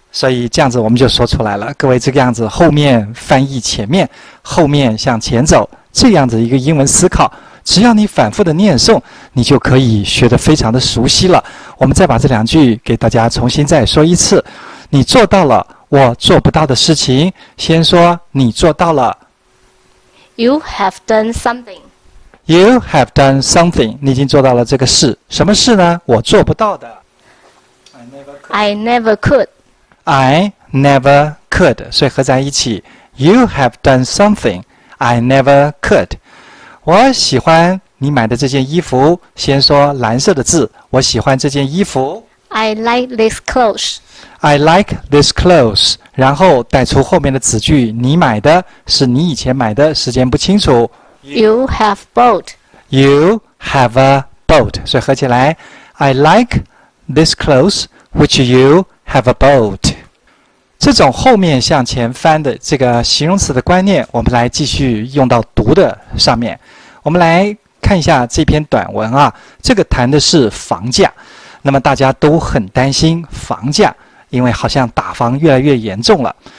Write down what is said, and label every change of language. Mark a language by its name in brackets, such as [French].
[Chinese] 所以这样子我们就说出来了。各位，这个样子后面翻译前面，后面向前走，这样子一个英文思考。只要你反复的念诵，你就可以学得非常的熟悉了。我们再把这两句给大家重新再说一次。你做到了我做不到的事情，先说你做到了。 [English] You have done something. You have done something. [Chinese] 你已经做到了这个事。什么事呢？我做不到的。 [English] I never could. I never could. [Chinese] 所以合在一起， [English] You have done something. I never could. [Chinese] 我喜欢你买的这件衣服，先说蓝色的字，我喜欢这件衣服。 [English] I like this clothes. I like this clothes. [Chinese] 然后带出后面的子句，你买的是你以前买的，时间不清楚。 [English] You have boat. You have a boat. [Chinese] 所以合起来 [English] ,I like this clothes, which you have a boat. [Chinese] 这种后面向前翻的这个形容词的观念，我们来继续用到读的上面。我们来看一下这篇短文啊，这个谈的是房价，那么大家都很担心房价，因为好像打房越来越严重了。